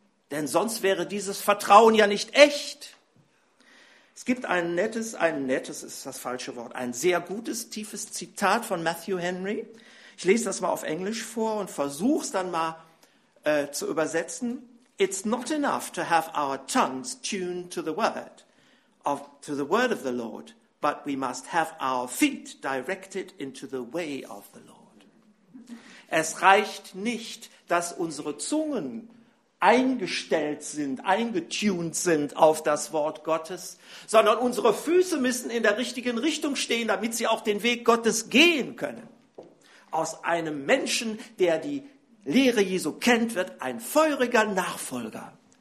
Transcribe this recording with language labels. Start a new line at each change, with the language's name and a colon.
German: Denn sonst wäre dieses Vertrauen ja nicht echt. Es gibt ein nettes ist das falsche Wort, ein sehr gutes, tiefes Zitat von Matthew Henry. Ich lese das mal auf Englisch vor und versuche es dann mal zu übersetzen.
English: It's not enough to have our tongues tuned to the word of the Lord. But we must have our feet directed into the way of the Lord.
German: Es reicht nicht, dass unsere Zungen eingestellt sind, eingetuned sind auf das Wort Gottes, sondern unsere Füße müssen in der richtigen Richtung stehen, damit sie auch den Weg Gottes gehen können. Aus einem Menschen, der die Lehre Jesu kennt, wird ein feuriger Nachfolger.